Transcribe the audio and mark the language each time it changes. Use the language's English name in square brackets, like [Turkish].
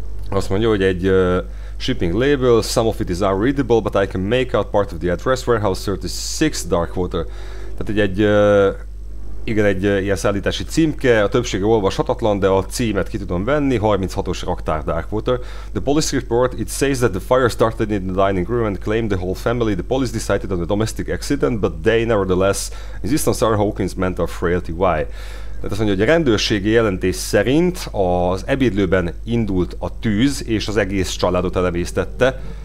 [Hungarian] Azt mondja, hogy egy [English] shipping label, some of it is unreadable, but I can make out part of the address, warehouse 36 Darkwater. [Hungarian] Tehát egy ilyen szállítási címke, a többsége olvashatatlan, de a címet ki tudom venni, 36-os raktár Darkwater. [English] The police report, it says that the fire started in the dining room and claimed the whole family. The police decided on a domestic accident, but they nevertheless insist on Sarah Hawkins' mental frailty. Why? [Hungarian] Tehát azt mondja, hogy a rendőrségi jelentés szerint az ebédlőben indult a tűz, és az egész családot elemésztette.